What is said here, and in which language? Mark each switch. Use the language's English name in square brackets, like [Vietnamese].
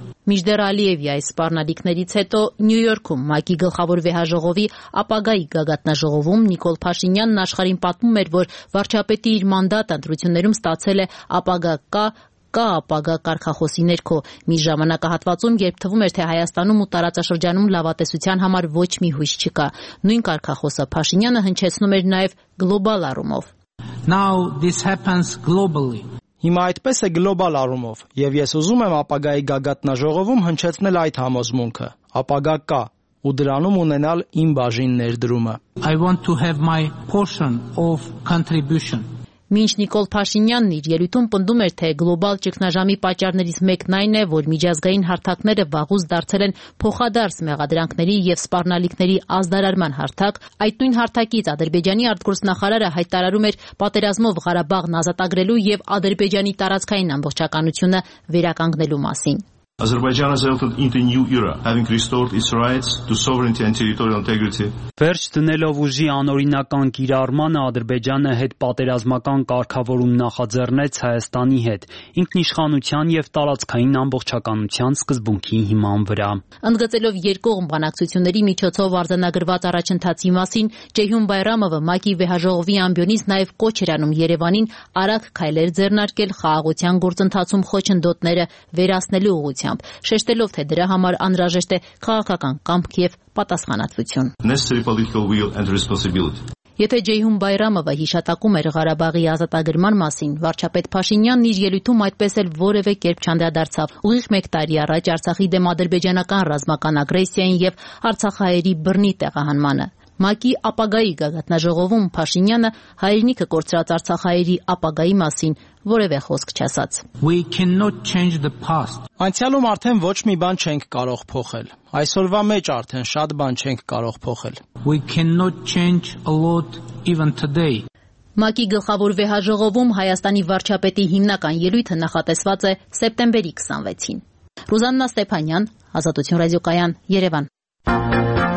[Armenian] Միջդեռ Ալիևի այս սպառնալիքներից հետո Նյու Յորքում ՄԱԿ-ի գլխավոր վեհաժողովի ապագայի գագաթնաժողովում Նիկոլ Փաշինյանն աշխարհին պատմում էր, որ վարչապետի իր մանդատը ընտրություններում ստացել է ապագա կա ապագա կարգախոսի ներքո, մի ժամանակահատվածում, երբ թվում էր, թե Հայաստանում ու տարածաշրջանում լավատեսության համար ոչ մի հույս չկա։ Նույն կարգախոսը Փաշինյանը հնչեցնում էր նաև գլոբալ առումով։ [English] Now this happens globally. [Armenian] Հիմա այդպես է գլոբալ առումով, եւ ես ուզում եմ ապագայի գագաթնաժողովում հնչեցնել այդ համոզմունքը. Ապագա կա, ու դրանում ունենալ իմ բաժին ներդրումը։ [English] I want to have my portion of contribution. [Armenian] Մինչ Նիկոլ Փաշինյանն իր ելույթում պնդում էր, թե գլոբալ ճգնաժամի պատճառներից մեկն այն է, որ միջազգային հարթակները վաղուց դարձել են փոխադարձ մեղադրանքների և սպառնալիքների ազդարարման հարթակ, այդ նույն հարթակից Ադրբեջանի արտգործնախարարը հայտարարում էր պատերազմով Ղարաբաղն ազատագրելու և Ադրբեջանի տարածքային ամբողջականությունը վերականգնելու մասին. [English] Azerbaijan has entered into a new era, having restored its rights to sovereignty and territorial integrity. [Armenian] Վերջ դնելով ուժի անօրինական կիրառմանը, Ադրբեջանը հետ պատերազմական կարգավորում նախաձեռնեց Հայաստանի հետ ինքնիշխանության և տարածքային ամբողջականության սկզբունքի հիման վրա։ Ընդգծելով երկկողմ բանակցությունների միջոցով արձանագրված առաջընթացի մասին, Ջեհյուն Բայրամովը ՄԱԿ-ի Վեհաժողովի ամբիոնից նաև կոչ էր անում Երևանին արագ քայլեր ձեռնարկել խաղաղության գործընթացում խոչընդոտները վերացնելու ությամբ, շեշտելով, թե դրա համար անհրաժեշտ է քաղաքական կամք և պատասխանատվություն։ [English] Necessary political will and responsibility. [Armenian] Եթե Ջեյհուն Բայրամովը հիշատակում էր Ղարաբաղի ազատագրման մասին, վարչապետ Փաշինյանն իր ելույթում այդպես էլ որևէ կերպ չանդրադարձավ. Ուղիղ մեկ տարի առաջ Արցախի դեմ ադրբեջանական ռազմական ագրեսիային և արցախահայերի բռնի տեղահանմանը, ՄԱԿ-ի ապագայի գագաթնաժողովում Փաշինյանը հայրենիքը կորցրած արցախահայերի ապագայի մասին որևէ խոսք չասաց. [English] We cannot change the past. [Armenian] Անցյալում արդեն ոչ մի բան չենք կարող փոխել։ Այսօրվա մեջ արդեն շատ բան չենք կարող փոխել։ [English] We cannot change a lot even today. [Armenian] ՄԱԿ-ի գլխավոր վեհաժողովում Հայաստանի վարչապետի հիմնական ելույթը նախատեսված է սեպտեմբերի 26-ին։ Ռուզաննա Ստեփանյան, Ազատություն ռադիոկայան, Երևան։